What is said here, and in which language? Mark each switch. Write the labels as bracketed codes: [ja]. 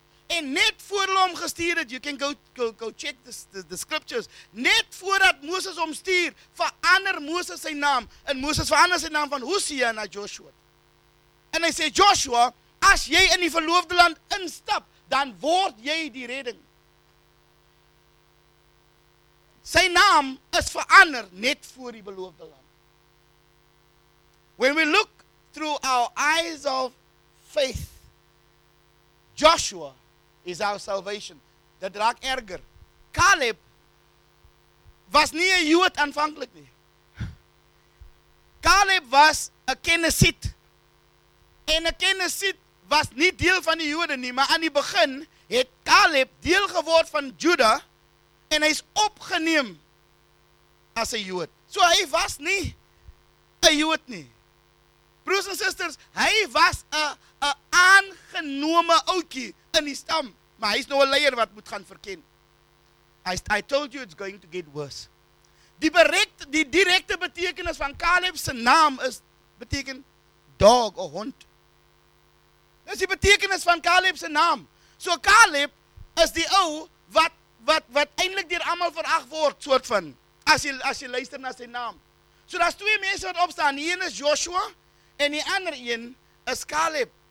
[af] En net voor hulle hom gestuur het, [en] you can go check the scriptures, [af] net voordat Moses hom stuur, verander Moses sy naam, en Moses verander sy naam van Hosea na Joshua. En hy sê, Joshua, as jy in die verloofde land instap, dan word jy die redding. Sy naam is verander net voor die beloofde land. [en] When we look through our eyes of faith, Joshua is our salvation. [af] Dit raak erger. Caleb was nie 'n Jood aanvanklik nie. Caleb was 'n Kenesiet. En 'n Kenesiet was nie deel van die Jode nie, maar aan die begin het Caleb deel geword van Juda, En hy is opgeneem as 'n Jood. So hy was nie 'n Jood nie. Broers en susters, hy was 'n aangenome ouetjie in die stam, maar hy is nou 'n leier wat moet gaan verken. [en] I told you it's going to get worse. [af] Die direkte betekenis van Caleb se naam beteken dog of hond. Dit is die betekenis van Caleb se naam. So Caleb is die ou wat eintlik deur almal verag word, soort van, as jy luister na sy naam. So daar's twee mense wat opstaan, die een is Joshua en die ander een is Caleb.